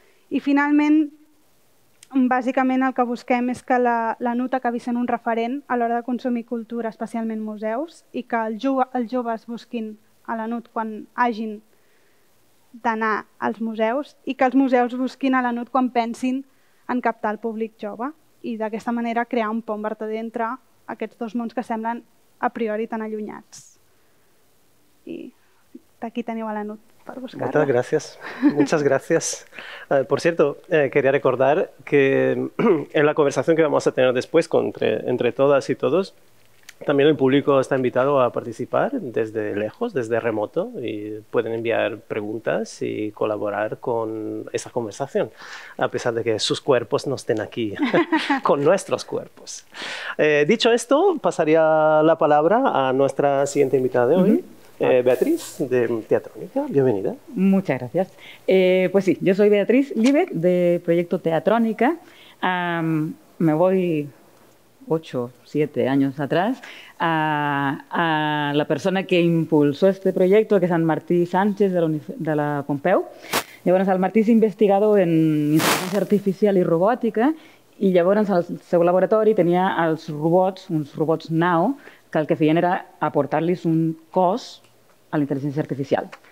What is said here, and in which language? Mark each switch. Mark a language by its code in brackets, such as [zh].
[ca] I finalment, bàsicament el que busquem és que la NUT acabi sent un referent a l'hora de consumir cultura, especialment museus, i que els joves busquin a la NUT quan hagin d'anar als museus i que els museus busquin a la NUT quan pensin en captar el públic jove i d'aquesta manera crear un pont vertader entre aquests dos mons que semblen a priori tan allunyats. I d'aquí teniu a la NUT per buscar-la. Moltes gràcies. [es] Muchas gracias. Por cierto, quería recordar que en la conversación que vamos a tener después entre todas y todos, también el público está invitado a participar desde lejos, desde remoto, y pueden enviar preguntas y colaborar con esa conversación, a pesar de que sus cuerpos no estén aquí, con nuestros cuerpos. Dicho esto, pasaría la palabra a nuestra siguiente invitada de hoy, Beatriz, de Teatrónica. Bienvenida. Muchas gracias. Pues sí, yo soy Beatriz Libet, de Proyecto Teatrónica. Me voy... 8, 7 años atrás, a la persona que impulsó este proyecto, que es en Martí Sánchez, de la Pompeu. [ca] Llavors, el Martí és investigador en intel·ligència artificial i robòtica I llavors el seu laboratori tenia els robots, uns robots Nao, que el que feien era aportar-los un cos a l'intel·ligència artificial.